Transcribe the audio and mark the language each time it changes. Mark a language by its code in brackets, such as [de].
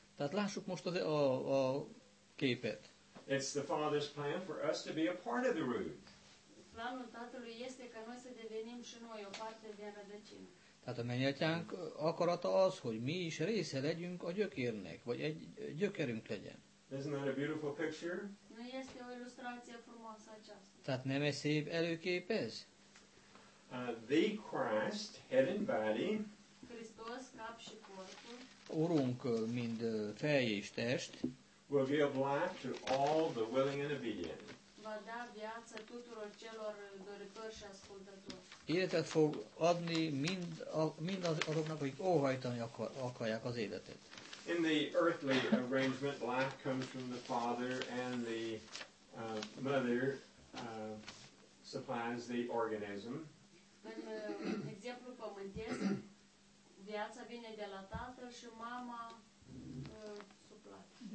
[hu] Tehát lássuk most a képet. [en] It's the Father's plan for us to be a part of the root. [ro] Planul Tatălui este ca noi să devenim și noi o parte din rădăcină. [hu] Tehát a mennyatyánk akarata az, hogy mi is része legyünk a gyökérnek, vagy egy gyökerünk legyen. [en] Isn't that a beautiful picture? [ro] Nu este o ilustrație frumoasă aceasta. [hu] Tehát nem e szép előkép ez? [en] The Christ, head and body. [ro] Hristos, cap și corpul. [hu] Urunk, mind fej és test. [en] Will give life to all the willing and obedient. [ro] Va da viață tuturor celor doritori și ascultători. [hu] Életet fog adni mind azoknak, akik óhajtani akarják az életet. [en] In the earthly arrangement, life comes from the Father and the Mother supplies the organism. [ro] În exemplu pământesc, viața vine de la Tatăl și Mama suplat.